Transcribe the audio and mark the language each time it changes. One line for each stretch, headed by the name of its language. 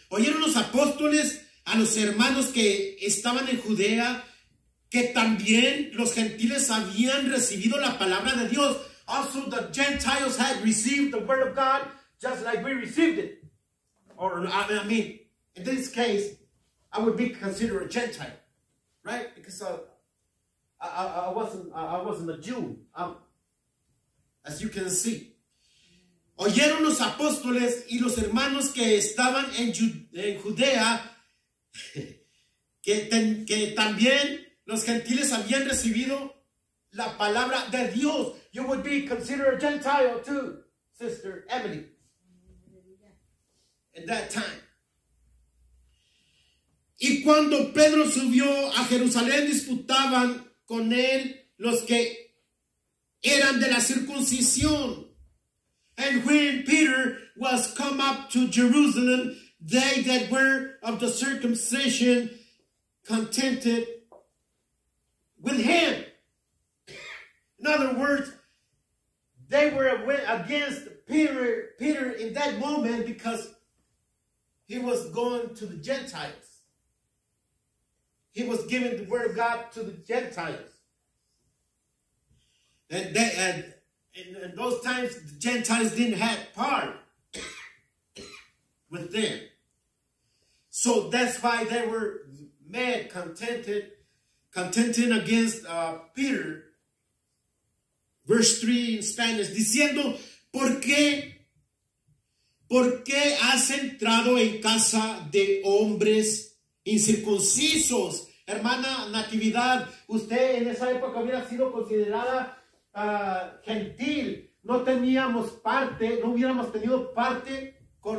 Spanish: Oyeron los apóstoles a los hermanos que estaban en Judea, que también los gentiles habían recibido la palabra de Dios.
English: Also the Gentiles had received the word of God just like we received it. Or, I mean, in this case, I would be considered a Gentile, right? Because I wasn't a Jew. As you can see.
Spanish: Oyeron los apóstoles y los hermanos que estaban en Judea que también los gentiles habían recibido la palabra de Dios.
English: You would be considered a Gentile too, Sister Emily. At that time.
Spanish: Y cuando Pedro subió a Jerusalén, disputaban con él los que eran de la circuncisión.
English: And when Peter was come up to Jerusalem, they that were of the circumcision contended with him. In other words, they were against Peter in that moment because he was going to the Gentiles. He was giving the word of God to the Gentiles. And they had in those times, the Gentiles didn't have part with them. So that's why they were mad, contending against Peter. Verse 3 in Spanish,
Spanish: diciendo, ¿Por qué has entrado en casa de hombres incircuncisos? Hermana Natividad, usted en esa época hubiera sido considerada gentil, no teníamos parte, no hubiéramos tenido parte